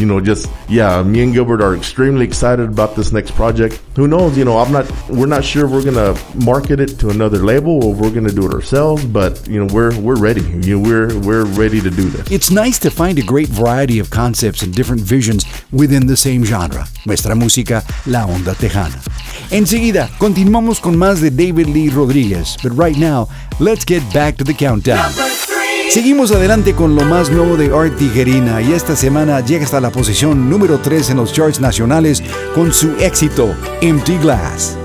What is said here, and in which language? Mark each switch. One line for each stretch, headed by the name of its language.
English: You know, just, yeah, me and Gilbert are extremely excited about this next project. Who knows? You know, we're not sure if we're going to market it to another label or if we're going to do it ourselves, but, you know, we're ready. You know, we're ready to do this. It's nice to find a great variety of concepts and different visions within the same genre.
Spanish: Nuestra música, la onda Tejana. Enseguida, continuamos con más de David Lee Rodriguez.
English: But right now, let's get back to the countdown.
Spanish: Seguimos adelante con lo más nuevo de Art Tijerina. Y esta semana llega hasta la posición número 3 en los charts nacionales con su éxito, Empty Glass.